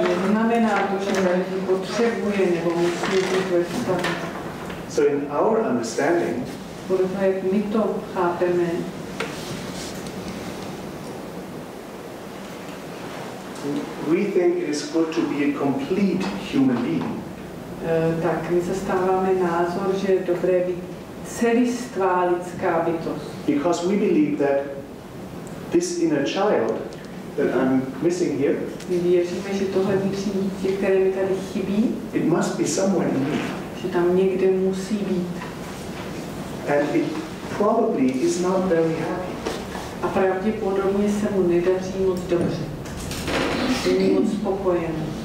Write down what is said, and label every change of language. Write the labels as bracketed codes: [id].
[cs] Znamená to, že potřebuje nebo musí být ve vztahu. [en] So in our understanding, we think it is good to be a complete human being. [cs] Tak my zastáváme názor, že je dobré být celistvá lidská bytost. [en] Because we believe that this inner child that I'm missing here, [cs] my věříme, že tohle vnitřní dítě, které mi tady chybí, [en] it must be somewhere in me. [cs] Že tam někde musí být. [en] And it probably is not very happy. [cs] A pravděpodobně se mu nedaří moc dobře. Není moc spokojený.